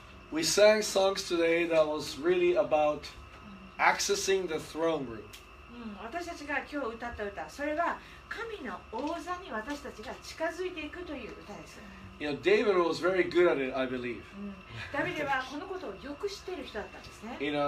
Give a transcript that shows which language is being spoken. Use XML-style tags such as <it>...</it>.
<en>We sang songs today that was really about accessing the throne room.</en> <ja>私たちが今日歌った歌、それは神の王座に私たちが近づいていくという歌です。</ja> <en>You know, David was very good at it, I believe.</en> <ja>ダビデはこのことをよく知っている人だったんですね。</ja>